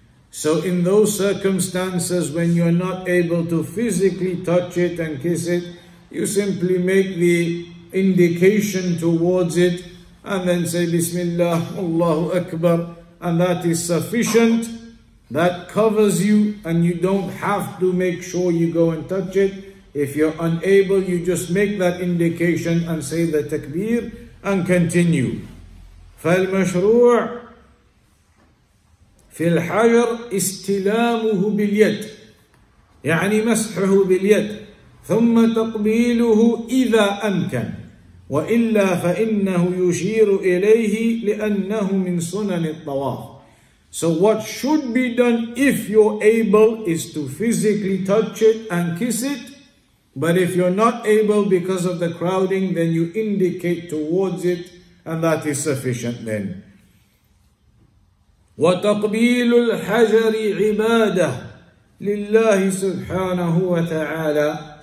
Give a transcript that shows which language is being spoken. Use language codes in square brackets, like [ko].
[en] So in those circumstances when you're not able to physically touch it and kiss it, you simply make the indication towards it and then say [ar] Bismillah, Allahu Akbar, [en] and that is sufficient. That covers you and you don't have to make sure you go and touch it. If you're unable, you just make that indication and say the takbir and continue. [ar] فالمشروع في الحجر استلامه باليد, يعني مسحه باليد, ثم تقبيله إذا أمكن, وإلا فإنه يشير إليه لأنه من سنن الطواف. [en] So what should be done if you're able is to physically touch it and kiss it. But if you're not able because of the crowding, then you indicate towards it, and that is sufficient then. [ar] وَتَقْبِيلُ الْحَجَرِ عِبَادَةٌ لِلَّهِ سُبْحَانَهُ وَتَعَالَى.